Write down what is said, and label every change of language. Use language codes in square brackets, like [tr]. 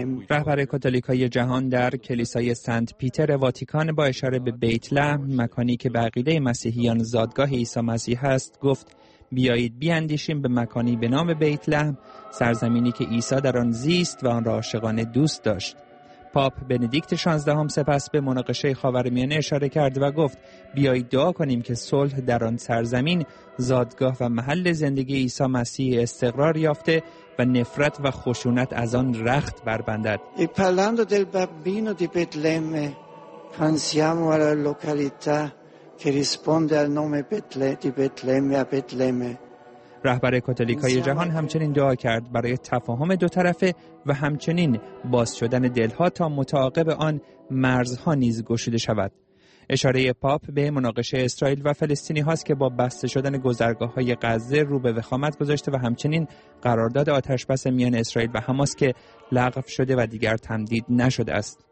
[fa] رهبر کاتولیکای جهان در کلیسای سنت پیتر واتیکان با اشاره به بیت لحم، مکانی که به عقیده مسیحیان زادگاه عیسی مسیح است، گفت بیایید بیاندیشیم به مکانی به نام بیت لحم، سرزمینی که عیسی در آن زیست و آن را عاشقانه دوست داشت. پاپ بندیکت 16 سپس به مناقشه خاورمیانه اشاره کرد و گفت بیایید دعا کنیم که صلح در آن سرزمین، زادگاه و محل زندگی عیسی مسیح استقرار یافته و نفرت و خشونت از آن رخت بربندد. [it] parlando del bambino di Betlemme pensiamo alla località che risponde al nome Betlemme a Betlemme. [fa] رهبر کاتولیکای جهان همچنین دعا کرد برای تفاهم دو طرفه و همچنین باز شدن دلها تا متعاقب آن مرزها نیز گشوده شود. اشاره پاپ به مناقشه اسرائیل و فلسطینی هاست که با بسته شدن گذرگاه های غزه رو به وخامت گذاشته و همچنین قرارداد آتش‌بس میان اسرائیل و حماس که لغو شده و دیگر تمدید نشده است.